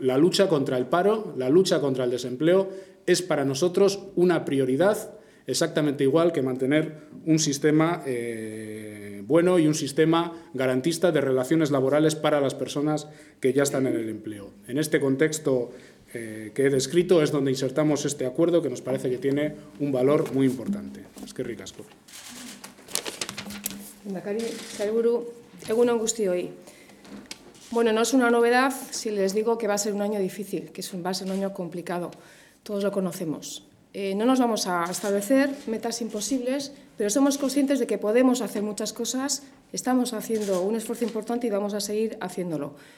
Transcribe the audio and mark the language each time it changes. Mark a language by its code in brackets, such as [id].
[es] La lucha contra el paro, la lucha contra el desempleo es para nosotros una prioridad, exactamente igual que mantener un sistema bueno y un sistema garantista de relaciones laborales para las personas que ya están en el empleo. En este contexto que he descrito es donde insertamos este acuerdo que nos parece que tiene un valor muy importante. [eu] Eskerrik asko. Lehendakari, sailburu, egun on guztioi. [es] Bueno, no es una novedad si les digo que va a ser un año difícil, que va a ser un año complicado. Todos lo conocemos. No nos vamos a establecer metas imposibles, pero somos conscientes de que podemos hacer muchas cosas, estamos haciendo un esfuerzo importante y vamos a seguir haciéndolo.